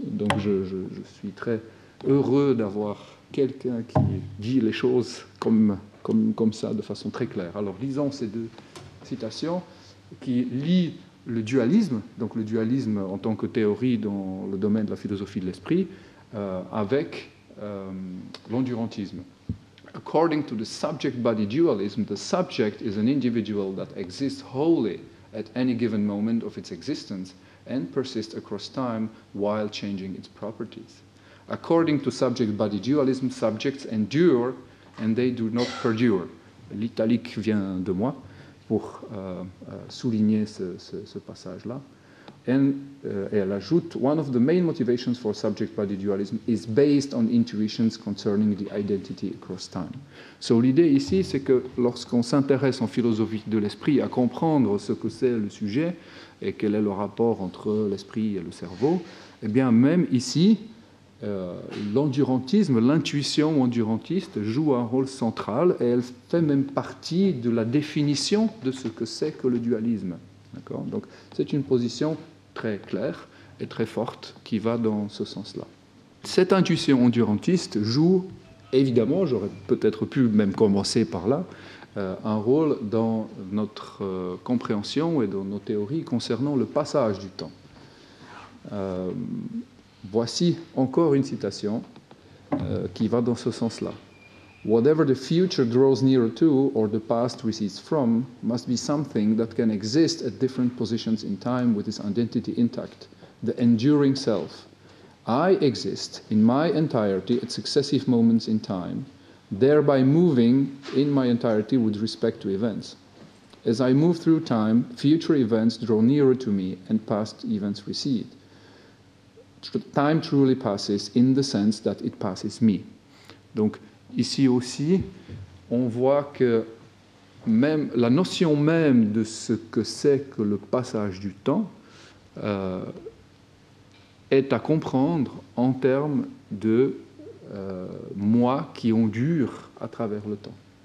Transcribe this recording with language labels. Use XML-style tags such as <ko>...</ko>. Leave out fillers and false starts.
<fr>Donc je suis très heureux d'avoir quelqu'un qui dit les choses comme ça, de façon très claire. Alors lisons ces deux citations qui lient le dualisme, donc le dualisme en tant que théorie dans le domaine de la philosophie de l'esprit, avec l'endurantisme.</fr> <en>According to the subject-body dualism, the subject is an individual that exists wholly at any given moment of its existence and persists across time while changing its properties. According to subject-body dualism, subjects endure and they do not perdure.</en> <fr>L'italique vient de moi pour souligner ce passage-là.</fr> <en>And</en> <fr>elle ajoute,</fr> <en>one of the main motivations for subject-body dualism is based on intuitions concerning the identity across time.</en> <fr>So l'idée ici, c'est que lorsqu'on s'intéresse en philosophie de l'esprit à comprendre ce que c'est le sujet et quel est le rapport entre l'esprit et le cerveau, eh bien même ici, l'endurantisme, l'intuition endurantiste joue un rôle central et elle fait même partie de la définition de ce que c'est que le dualisme. D'accord? Donc, c'est une position très claire et très forte qui va dans ce sens-là. Cette intuition endurantiste joue, évidemment, j'aurais peut-être pu même commencer par là, un rôle dans notre compréhension et dans nos théories concernant le passage du temps. Voici encore une citation qui va dans ce sens-là.</fr> <en>Whatever the future draws nearer to or the past recedes from must be something that can exist at different positions in time with its identity intact, the enduring self. I exist in my entirety at successive moments in time, thereby moving in my entirety with respect to events. As I move through time, future events draw nearer to me and past events recede. Time truly passes in the sense that it passes me.</en> <fr>Donc, ici aussi, on voit que même la notion même de ce que c'est que le passage du temps est à comprendre en termes de moi qui endure à travers le temps.</fr>